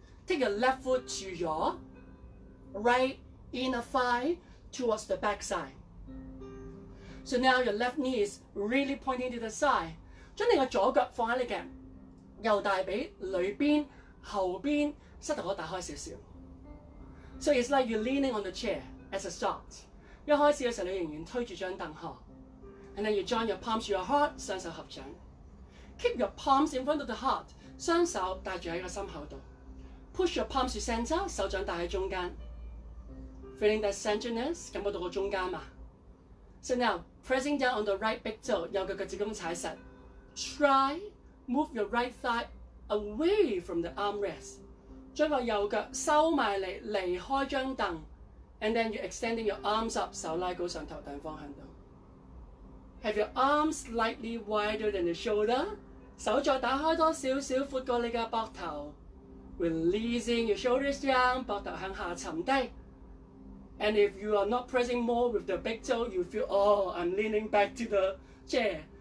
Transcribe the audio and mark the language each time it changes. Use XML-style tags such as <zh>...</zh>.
<en>Take your left foot to your right inner thigh towards the backside. So now your left knee is really pointing to the side.</en> <yue>將你嘅左腳放喺你嘅右大髀裏邊後邊膝頭哥打開少少。</yue> <en>So it's like you're leaning on the chair as a start.</en> <yue>一開始嘅時候你仍然推住張凳呵。</yue> <en>And then you join your palms to your heart,</en> <yue>雙手合掌。</yue> <en>Keep your palms in front of the heart,</en> <yue>雙手帶住喺個心口度。</yue> <en>Push your palms to center,</en> <yue>手掌帶喺中間。</yue> <en>Feeling that centeredness,</en> <yue>感覺到個中間嘛。</yue> <en>So now, pressing down on the right big toe,</en> <yue>右腳腳趾咁踩實。</yue> <en>Try move your right thigh away from the armrest.</en> <yue>將個右腳收埋嚟，離開張凳。</yue> <en>And then you're extending your arms up,</en> <yue>手拉高上頭頂方向度。</yue> <en>Have your arms slightly wider than the shoulder.</en> <yue>手再打開多少少，闊過你嘅膊頭。</yue> <en>Releasing your shoulders down,</en> <yue>膊頭向下沉低。</yue> <en>And if you are not pressing more with the big toe, you feel, oh, I'm leaning back to the chair.</en>